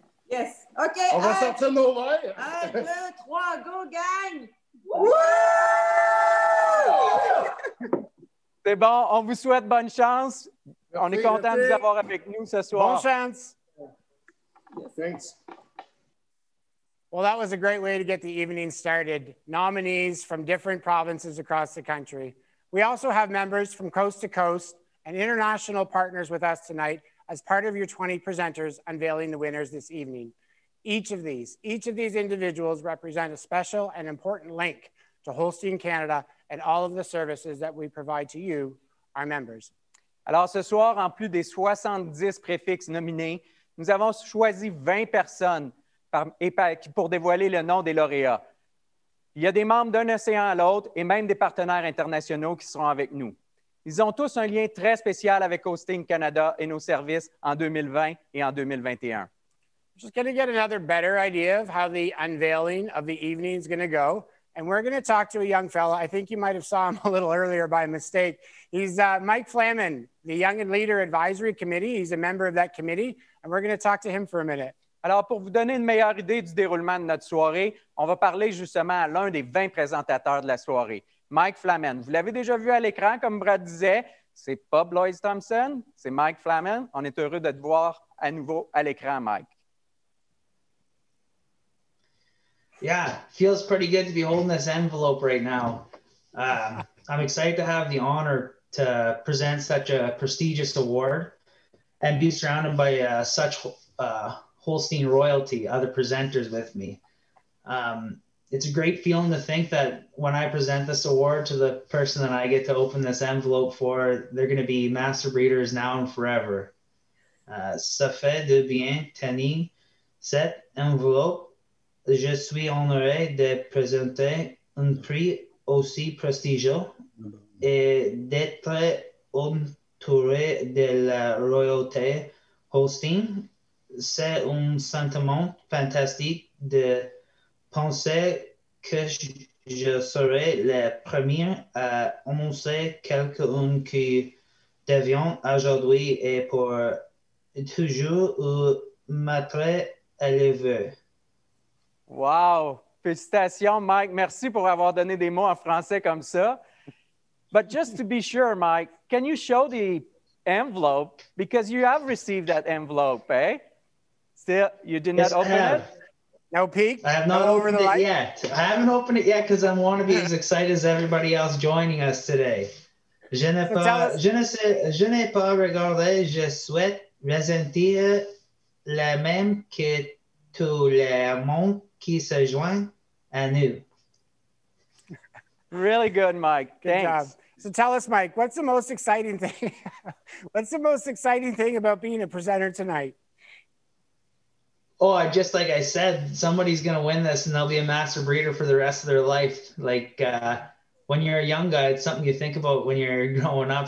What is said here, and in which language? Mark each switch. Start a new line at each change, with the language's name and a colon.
English: Yes. OK.
French: On va sortir nos verres.
English: 1, 2, 3, go, gang!
French: C'est bon, on vous souhaite bonne chance. Merci, on est content de vous avoir avec nous ce soir. Bonne chance.
English: Thanks. Well, that was a great way to get the evening started. Nominees from different provinces across the country. We also have members from coast to coast and international partners with us tonight as part of your 20 presenters unveiling the winners this evening. Each of these individuals represent a special and important link to Holstein Canada and all of the services that we provide to you, our members.
French: Alors ce soir, en plus des 70 préfixes nominés, nous avons choisi 20 personnes pour dévoiler le nom des lauréats. Il y a des membres d'un océan à l'autre et même des partenaires internationaux qui seront avec nous. Ils ont tous un lien très spécial avec Holstein Canada et nos services en 2020 et en 2021.
English: Just going to get another better idea of how the unveiling of the evening is going to go. And we're going to talk to a young fellow. I think you might have saw him a little earlier by mistake. He's Mike Flamin, the Young and Leader Advisory Committee. He's a member of that committee. And we're going to talk to him for a minute.
French: Alors, pour vous donner une meilleure idée du déroulement de notre soirée, on va parler justement à l'un des 20 présentateurs de la soirée, Mike Flamin. Vous l'avez déjà vu à l'écran, comme Brad disait. C'est pas Blois Thompson, c'est Mike Flamin. On est heureux de te voir à nouveau à l'écran, Mike.
English: Yeah, feels pretty good to be holding this envelope right now. I'm excited to have the honor to present such a prestigious award and be surrounded by such Holstein royalty, other presenters with me. It's a great feeling to think that when I present this award to the person that I get to open this envelope for, they're going to be master breeders now and forever.
French: Ça fait du bien tenir cette enveloppe. Je suis honoré de présenter un prix aussi prestigieux et d'être entouré de la royauté Holstein. C'est un sentiment fantastique de penser que je serai le premier à annoncer quelqu'un qui devient aujourd'hui et pour toujours un maître élevé. Wow! Félicitations, Mike. Merci pour avoir donné des mots en français comme ça.
English: But just to be sure, Mike, can you show the envelope? Because you have received that envelope, eh? Still, you did not open it? No peek? I have not opened it yet. I haven't opened it yet because I want to be as excited as everybody else joining us today.
French: Je n'ai pas regardé. Je souhaite ressentir la même que tout le monde qui se joint à nous.
English: Really good, Mike. Thanks. Good job. So tell us, Mike, what's the most exciting thing? What's the most exciting thing about being a presenter tonight? Oh, just like I said, somebody's going to win this and they'll be a master breeder for the rest of their life. Like when you're a young guy, it's something you think about when you're growing up.